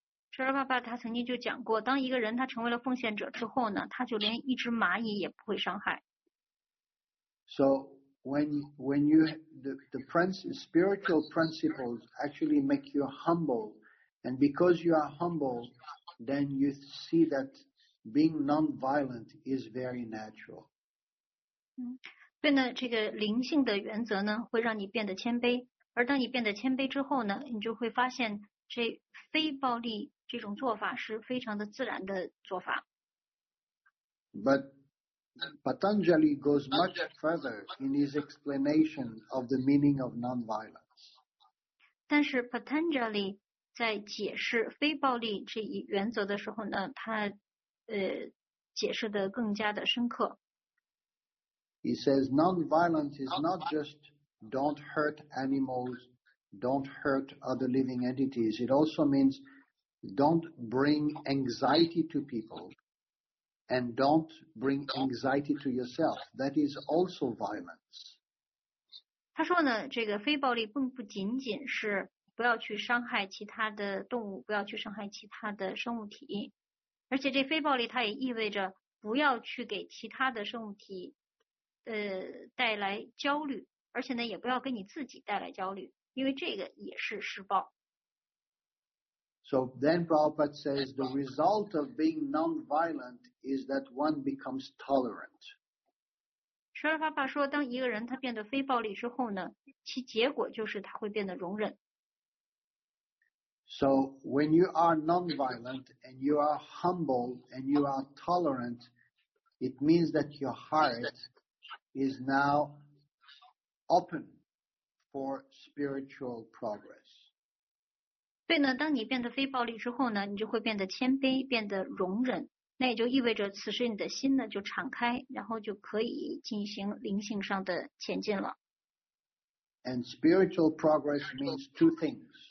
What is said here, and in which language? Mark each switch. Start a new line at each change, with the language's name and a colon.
Chinese: 舍勒帕帕他曾经就讲过，当一个人他成为了奉献者之后呢，他就连一只蚂蚁也不会伤害。
English: So when you, the principles, spiritual principles actually make you humble. And because you are humble, then you see that being non-violent is very natural.
Chinese: 所以呢，这个灵性的原则呢，会让你变得谦卑。而当你变得谦卑之后呢，你就会发现这非暴力这种做法是非常的自然的做法。
English: But Patanjali goes much further in his explanation of the meaning of non-violence.
Chinese: 但是 Patanjali 在解释非暴力这一原则的时候呢，他解释的更加的深刻。
English: He says non-violence is not just don't hurt animals, don't hurt other living entities. It also means don't bring anxiety to people and don't bring anxiety to yourself. That is also violence.
Chinese: 他说呢，这个非暴力并不仅仅是不要去伤害其他的动物，不要去伤害其他的生物体，而且这非暴力它也意味着不要去给其他的生物体带来焦虑，而且呢，也不要给你自己带来焦虑，因为这个也是施暴。
English: So then Prabhupada says the result of being non-violent is that one becomes tolerant.
Chinese: 舍尔法巴说，当一个人他变得非暴力之后呢，其结果就是他会变得容忍。
English: So when you are non-violent and you are humble and you are tolerant, it means that your heart is now open for spiritual progress.
Chinese: 对呢，当你变得非暴力之后呢，你就会变得谦卑，变得容忍。那也就意味着此时你的心呢就敞开，然后就可以进行灵性上的前进了。
English: And spiritual progress means two things.